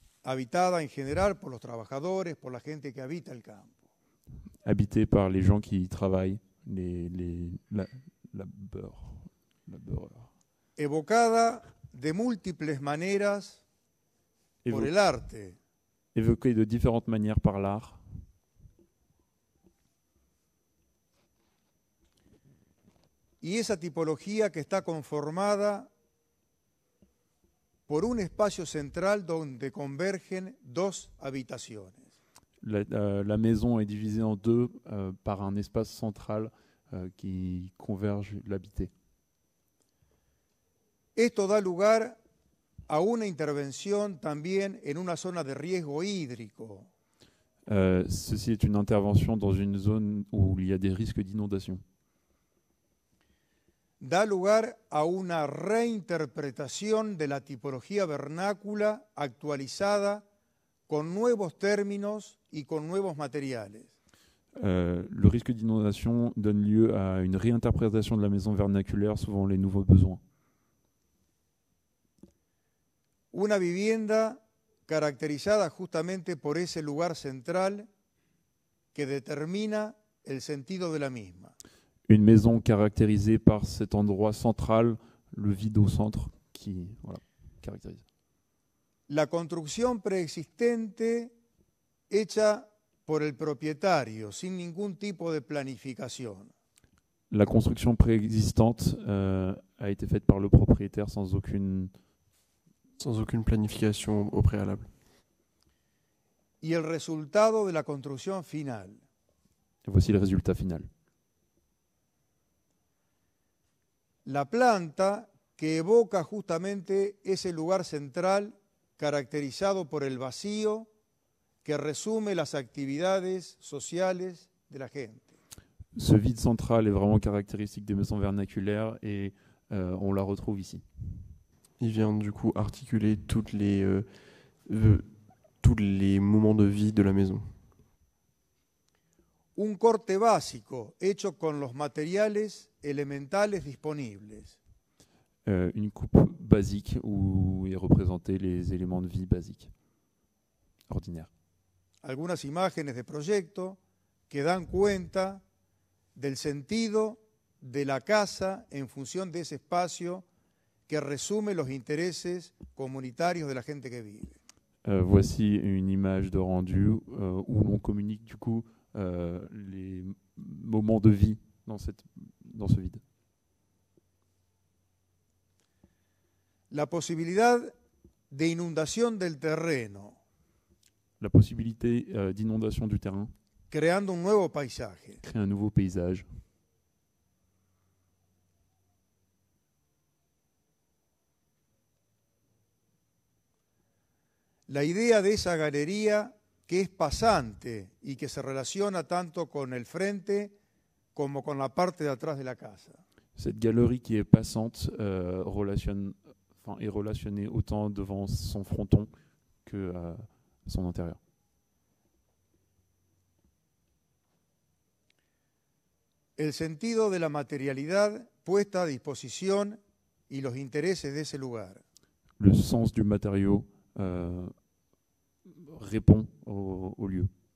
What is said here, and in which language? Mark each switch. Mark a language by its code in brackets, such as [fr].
[es] Habitada en general por los trabajadores, por la gente que habita el campo. [fr] Habité par les gens qui y travaillent, les laboureurs. [es] Evocada de múltiples maneras por el arte. [fr] Évoquée de différentes manières par l'art. [es] Y esa tipología que está conformada por un espacio central donde convergen dos habitaciones. [fr] La maison est divisée en deux par un espace central qui converge l'habité. [es] Esto da lugar a una intervención también en una zona de riesgo hídrico. [fr] Ceci est une intervention dans une zone où il y a des risques d'inondation. [es] Da lugar a una reinterpretación de la tipología vernácula actualizada con nuevos términos y con nuevos materiales. [fr] Le risque d'inondation donne lieu à une réinterprétation de la maison vernaculaire suivant les nouveaux besoins. [es] Una vivienda caracterizada justamente por ese lugar central que determina el sentido de la misma. [fr] Une maison caractérisée par cet endroit central, le vide au centre qui voilà, caractérise. La construction préexistante [es] hecha por el propietario sin ningún tipo de planificación. [fr] La construction préexistante a été faite par le propriétaire sans aucune planification au préalable. [es] Y el resultado de la construcción final. [fr] Et voici le résultat final. [es] La planta que evoca justamente ese lugar central caracterizado por el vacío que resume las actividades sociales de la gente. [fr] Ce vide central est vraiment caractéristique des maisons vernaculaires et on la retrouve ici. Il vient du coup articuler tous les moments de vie de la maison. [es] un corte básico hecho con los materiales elementales disponibles. [fr] Une coupe basique où est représenté les éléments de vie basiques, ordinaires. [es] Algunas imágenes de proyecto que dan cuenta del sentido de la casa en función de ese espacio que resume los intereses comunitarios de la gente que vive. [fr] Voici une image de rendu où l'on communique du coup les moments de vie dans ce vide. [es] La posibilidad de inundación del terreno. [fr] La posibilité d'inondation du terrain. [es] Creando un nuevo paisaje. [fr] Crée un nouveau paysage. [es] La idea de esa galería que es pasante y que se relaciona tanto con el frente como con la parte de atrás de la casa. [fr] Cette galerie qui est passante est relationnée autant devant son fronton que son intérieur. [es] El sentido de la materialidad puesta a disposición y los intereses de ese lugar. [fr] Le sens du matériau répond au lieu.